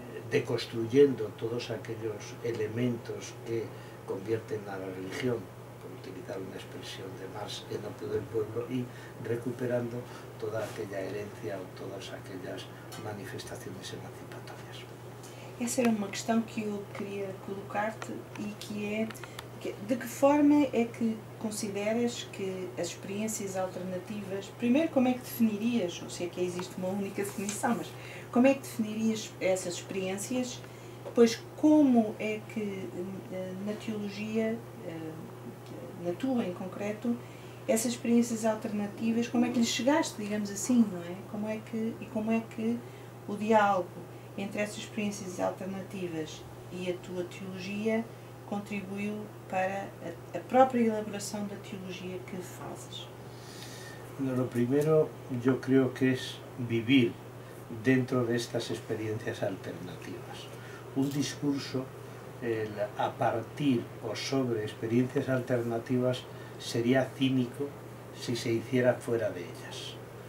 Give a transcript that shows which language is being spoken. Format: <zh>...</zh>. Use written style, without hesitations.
<es>deconstruyendo todos aquellos elementos que convierten a la religión, por utilizar una expresión de Marx, en opio del pueblo, y recuperando toda aquella herencia o todas aquellas manifestaciones emancipatorias.</es> <pt>Essa era uma questão que eu queria colocar-te e que é: de que forma é que consideras que as experiências alternativas, primeiro, como é que definirias, não sei que existe uma única definição, mas como é que definirias essas experiências, depois como é que na teologia, na tua em concreto, essas experiências alternativas, como é que lhes chegaste, digamos assim, não é? Como é que, e como é que o diálogo entre essas experiências alternativas e a tua teologia contribuiu para a própria elaboração da teologia que fazes?</pt> <es>No, lo primero, yo creo que es vivir dentro de estas experiencias alternativas. Un discurso a partir o sobre experiencias alternativas sería cínico si se hiciera fuera de ellas.</es>